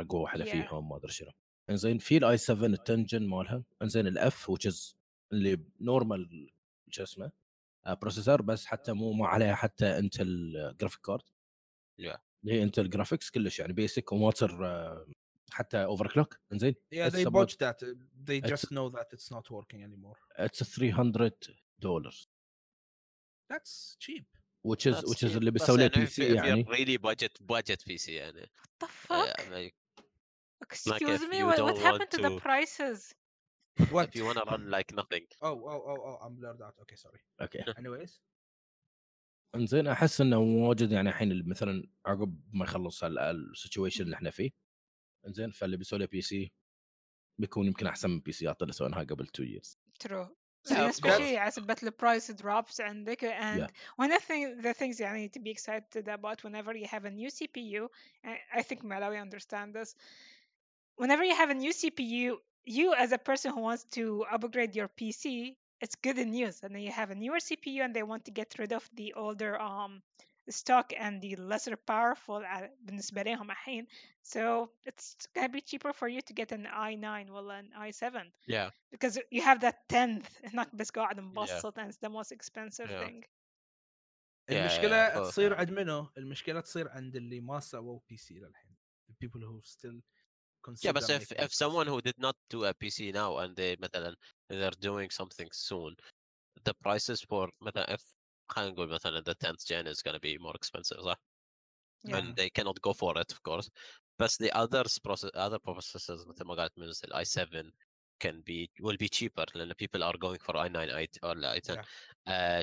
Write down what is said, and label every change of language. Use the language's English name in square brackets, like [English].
[Arabic] أقوى حلا فيهم ما أدري شنو. إنزين في i7 التنجن مالها. إنزين f [English] which is [Arabic] اللي normal شو اسمه. بروسيسور بس حتى مو عليها حتى انتل جرافيك كارد [English] yeah. [Arabic] هي انتل جرافيكس كلش يعني بيسك وموتر حتى اوفركلوك انزين [English] yeah they botched that they just know that it's not working anymore it's $300 that's cheap which is cheap. [Arabic] اللي بيسوي لها PC [English] if [Arabic] يعني [English] you're really budget PC يعني what the fuck excuse me what happened to the prices What? If you want to run like nothing. Oh, I'm blurred out. Okay, sorry. Okay. Anyways. And then I [Arabic] حس إنه واجد يعني الحين مثلاً عقب ما يخلص ال situation اللي إحنا فيه. [English] And then [Arabic] فاللي بيسوي له PC بيكون يمكن أحسن من PC أطلع سوينها قبل [English] 2 years. True. Especially as but the price drops and like and one of the things you need to be excited about whenever you have a new CPU. I think Malawi understand this. Whenever you have a new CPU. you as a person who wants to upgrade your PC, it's good news. And then you have a newer CPU and they want to get rid of the older stock and the lesser powerful [Arabic] بالنسبة لهم الحين. [English] So it's going to be cheaper for you to get an i9 or an i7. Yeah. Because you have that 10th. It's not just going to be bustled and it's the most expensive thing. [Arabic] Yeah, المشكلة تصير عند منه؟ المشكلة تصير عند اللي ما سووا PC للحين. [English] The people who still consider. Yeah, but if someone who did not do a PC now and they مثلا they're doing something soon, the prices for مثلا if [Arabic] خلينا نقول مثلا [English] the 10th gen is gonna be more expensive, صح? Yeah. And they cannot go for it, of course. But the other processors [Arabic] مثل ما قالت منز [English] ال i7 can be will be cheaper لأن people are going for i9 or i10. Yeah.